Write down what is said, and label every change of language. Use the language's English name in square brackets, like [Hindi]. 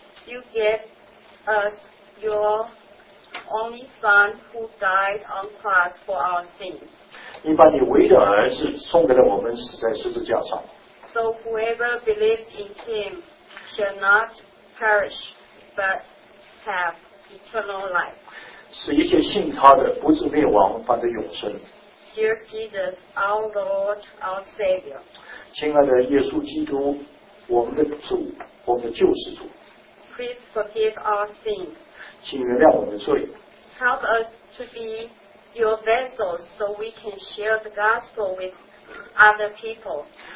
[English] You gave us your only son who died on cross for our sins. [Chinese] 你把你唯一的儿子送给了我们，死在十字架上. [English] So whoever believes in him shall not perish but have eternal life. [Chinese] 使一切信他的不至灭亡，反得永生. [English] Dear Jesus, our Lord, our Savior. [Chinese] 亲爱的耶稣基督，我们的主，我们的救世主。 [English] Please forgive our sins. [Chinese] 请原谅我们的罪。 [English] Help us to be your vessels so we can share the gospel with other people.